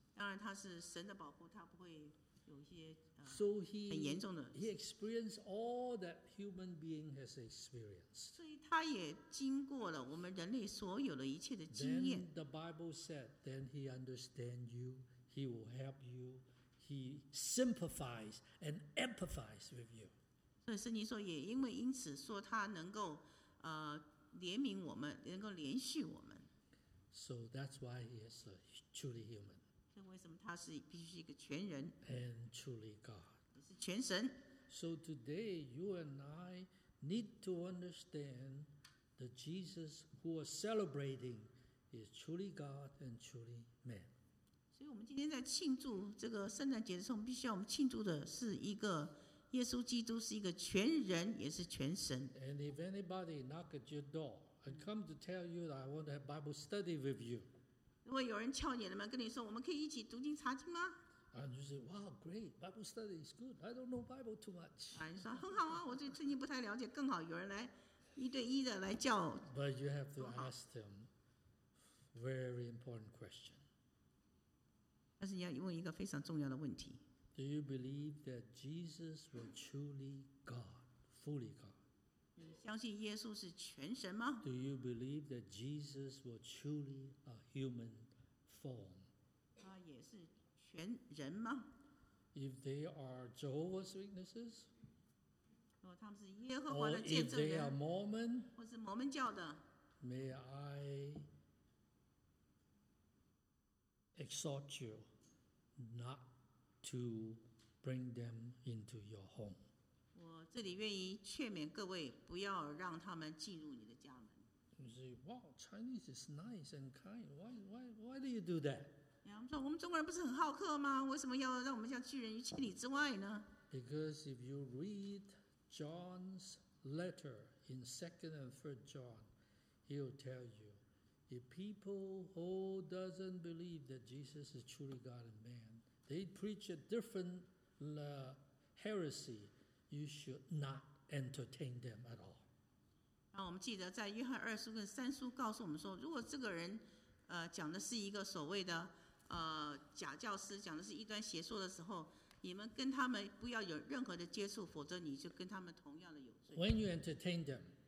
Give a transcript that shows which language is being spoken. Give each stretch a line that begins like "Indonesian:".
Chinese: 当然，他是神的保护，他不会有一些很严重的。
English: So he experienced all that human being has experienced.
Chinese: 所以他也经过了我们人类所有的一切的经验。
English: Then the Bible said, then he understand you. He will help you. He sympathizes and empathizes with you.
Chinese: 所以圣经说，也因为因此说，他能够怜悯我们，能够怜恤我们。
English: So that's why he is a truly human.
Chinese: 所以为什么他是必须是一个全人
English: ？And truly God.
Chinese: 是全神。
English: So today you and I need to understand the Jesus who are celebrating is truly God and truly man.
Chinese: 所以我们今天在庆祝这个圣诞节的时候，必须要我们庆祝的是一个耶稣基督是一个全人也是全神。
English: And if anybody knock at your door and come to tell you that I want to have Bible study with you,
Chinese: 如果有人敲你的门，跟你说我们可以一起读经查经吗
English: ？And you say, "Wow, great! Bible study is good. I don't know Bible too much."
Chinese: 啊，你说很好啊，我对圣经不太了解，更好有人来一对一的来教。
English: But you have to ask them very important question.
Chinese: 但是你要问一个非常重要的问题。
English: Do you believe that Jesus was truly God, fully God?
Chinese: 你相信耶稣是全神吗
English: ？Do you believe that Jesus was truly a human form?
Chinese: 他也是全人吗
English: ？If they are Jehovah's Witnesses,
Chinese: 如果他们是耶和华的见证人
English: ，or if they are Mormon,
Chinese: 或是摩门教的
English: ，May I? Exhort you not to bring them into your home.
Chinese: 我这里愿意劝勉各位，不要让他们进入你的家门。
English: You say, "Wow, Chinese is nice and kind. Why do you do that?"
Chinese: 我们说，我们中国人不是很好客吗？为什么要让我们像拒人于千里之外呢
English: ？Because if you read John's letter in 2nd and 3rd John, he'll tell you. If people who doesn't believe that Jesus is truly God and man, they preach a different heresy, you should not entertain them at all.
Chinese: 那我们记得在约翰二书跟三书告诉我们说，如果这个人，讲的是一个所谓的假教师，讲的是异端邪说的时候，你们跟他们不要有任何的接触，否则你就跟他们同样的有罪。
English: When you entertain them,